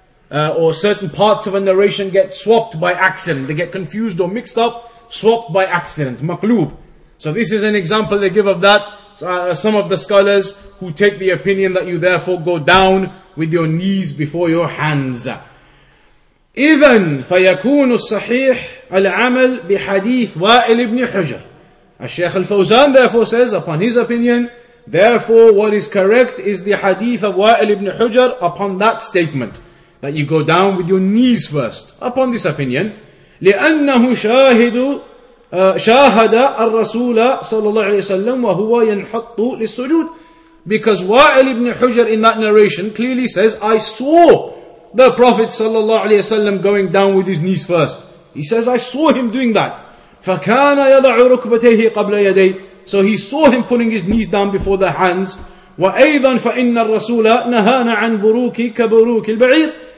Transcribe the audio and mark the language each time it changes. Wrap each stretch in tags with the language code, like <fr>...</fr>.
<en>Or certain parts of a narration get swapped by accident. They get confused or mixed up, swapped by accident, maqloob. So this is an example they give of that. Some of the scholars who take the opinion that you therefore go down with your knees before your hands.</en> <ar>إذن فيكون الصحيح العمل بحديث وائل بن حجر.</ar> <en>الشيخ الفوزان therefore says, upon his opinion, therefore what is correct is the hadith of وائل بن حجر upon that statement, that you go down with your knees first, upon this opinion.</en> <ar>لأنه شاهد شاهد الرسول صلى الله عليه وسلم وهو ينحط للسجود.</ar> <en>Because وائل بن حجر in that narration clearly says, I saw the Prophet sallallahu alayhi wasallam going down with his knees first. He says, I saw him doing that.</en> <ar>فَكَانَ يَضَعُ رُكْبَتَيْهِ قَبْلَ يَدَيْهِ.</ar> <en>So he saw him putting his knees down before the hands.</en> <ar>وَأَيْضًا فَإِنَّ الرَّسُولَ نَهَانَ عَنْ بُرُوكِ كَبُرُوكِ الْبَعِيرِ.</ar>